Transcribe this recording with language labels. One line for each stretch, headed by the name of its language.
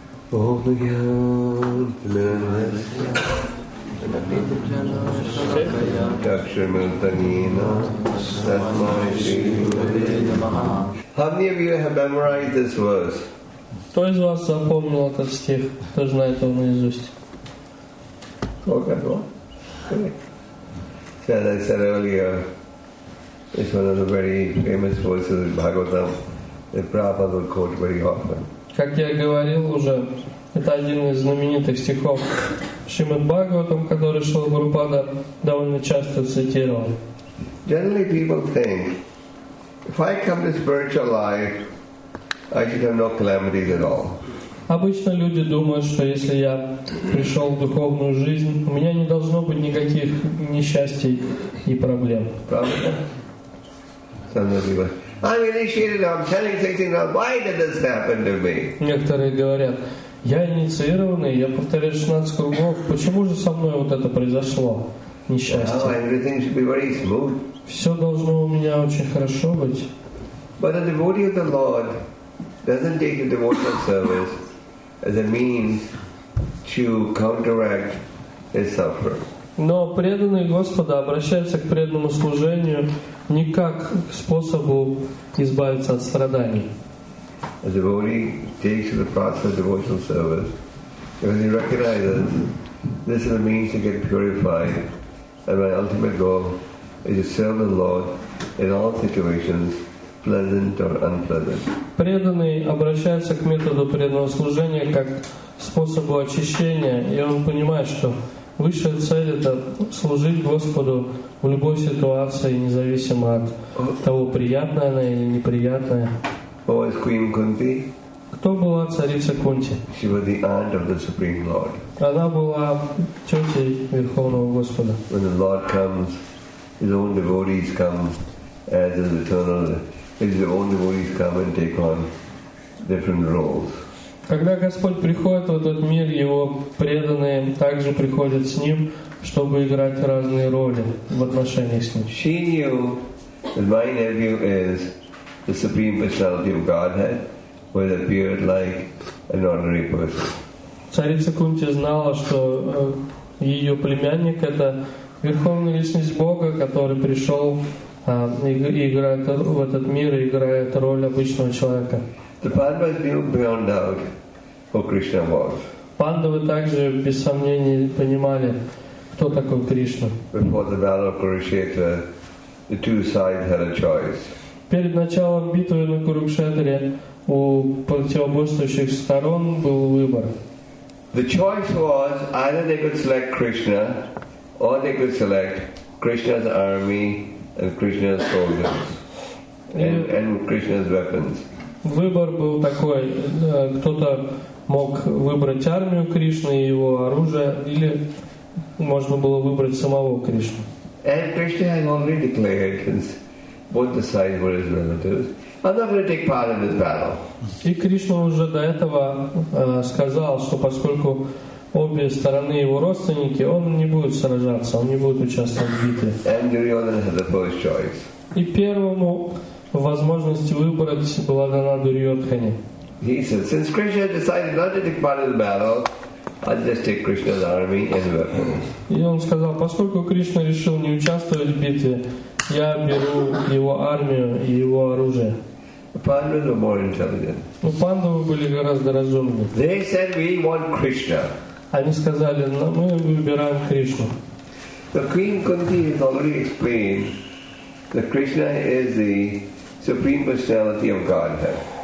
Russian: Кто из вас запомнил этот стих, кто знает его наизусть?
English: Okay, well, great. As I said earlier, it's one of the very famous verses in Bhagavatam that Prabhupada would quote very often.
Russian: Как я говорил уже, это один из знаменитых стихов Шримад Бхагаватам, который Шрила Прабхупада довольно часто цитировал.
English: Generally people think, if I come to spiritual life, I should have no calamities at all.
Russian: Обычно люди думают, что если я пришел в духовную жизнь, у меня не должно быть никаких несчастий и проблем. Правда?
English: I'm initiated, I'm telling things, you know, why did this happen to me?
Russian: Некоторые говорят, я инициированный, я повторяю 16 кругов, почему же со мной вот это произошло, несчастье?
English: Well, everything should be very smooth.
Russian: Все должно у меня очень хорошо быть.
English: But a devotee of the Lord doesn't take the devotional service as a means to counteract his suffering.
Russian: Но преданный Господа обращается к преданному служению не как к способу избавиться от страданий.
English: A devotee takes the process of devotional service because he recognizes this is a means to get purified, and my ultimate goal is to serve the Lord in all situations, pleasant or unpleasant.
Russian: Преданный обращается к методу преданного служения как способу очищения, и он понимает, что высшая цель — это служить Господу в любой ситуации, независимо от того, приятная она или неприятная.
English: Who was Queen Kunti?
Russian: Кто была царица Кунти?
English: She was the aunt of the Supreme Lord.
Russian: Она была тетей Верховного Господа.
English: When the Lord comes, his own devotees come as his eternal, his own devotees come and take on different roles.
Russian: Когда Господь приходит в этот мир, Его преданные также приходят с Ним, чтобы играть разные роли в отношениях с Ним.
English: She knew that my nephew is the Supreme Personality of Godhead, who has appeared like an ordinary person.
Russian: Царица Кунти знала, что ее племянник — это Верховная Личность Бога, который пришел играет в этот мир и играет роль обычного человека.
English: The Pandavas knew beyond doubt who Krishna was.
Russian: Пандавы также без сомнений понимали, кто такой Кришна.
English: Before the battle of Kurukshetra, the two sides had a choice.
Russian: Перед началом битвы на Курукшетре у противоборствующих сторон был выбор.
English: The choice was either they could select Krishna or they could select Krishna's army and Krishna's soldiers and Krishna's weapons.
Russian: Выбор был такой: кто-то мог выбрать армию Кришны и его оружие, или можно было выбрать самого Кришну.
English: And Krishna had already declared since both the sides were his relatives, I'm not going to take part in this battle.
Russian: И Кришна уже до этого сказал, что поскольку обе стороны его родственники, он не будет сражаться, он не будет участвовать в битве.
English: And Duryodhana had the first choice.
Russian: И первому возможности выбрать была дана Дурьотхане.
English: He said, since Krishna decided not to take part in the battle, I'll just take Krishna's army and weapons.
Russian: И он сказал, поскольку Кришна решил не участвовать в битве, я беру его армию и его оружие.
English: The Pandavas were more intelligent.
Russian: Но пандавы были гораздо разумнее.
English: They said, we want Krishna.
Russian: Они сказали, мы выбираем Кришну.
English: The Queen Kunti has already explained that Krishna is the Supreme Personality of Godhead.